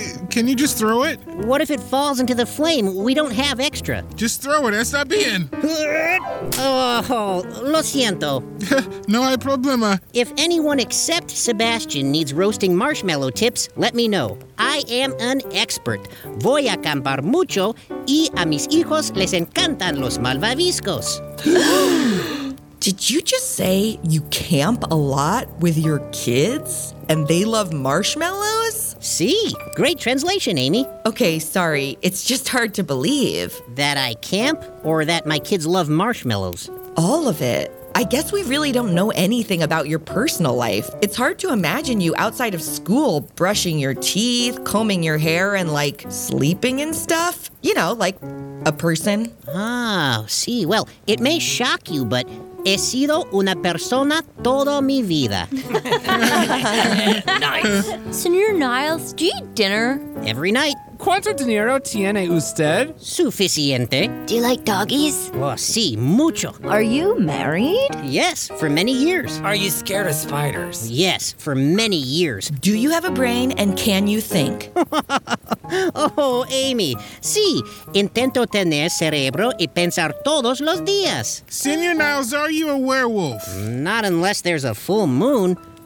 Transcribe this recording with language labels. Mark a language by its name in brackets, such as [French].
[English] Can you just throw it? What if it falls into the flame? We don't have extra. Just throw it, [Spanish] está bien. Oh, lo siento. No hay problema. [English] If anyone except Sebastian needs roasting marshmallow tips, let me know. I am an expert. [Spanish] Voy a acampar mucho y a mis hijos les encantan los malvaviscos. [English] Did you just say you camp a lot with your kids and they love marshmallows? See, great translation, Amy. Okay, sorry. It's just hard to believe. That I camp or that my kids love marshmallows? All of it. I guess we really don't know anything about your personal life. It's hard to imagine you outside of school brushing your teeth, combing your hair, and, like, sleeping and stuff. You know, like a person. Ah, see. Well, it may shock you, but [Spanish] he sido una persona toda mi vida. [English] Nice. Senor Niles, do you eat dinner? Every night. [Spanish] ¿Cuánto dinero tiene usted? Suficiente. [English] Do you like doggies? [Spanish] Oh, sí, mucho. [English] Are you married? Yes, for many years. Are you scared of spiders? Yes, for many years. Do you have a brain and can you think? Oh, Amy. [Spanish] Sí, intento tener cerebro y pensar todos los días. [English] Señor Niles, are you a werewolf? Not unless there's a full moon.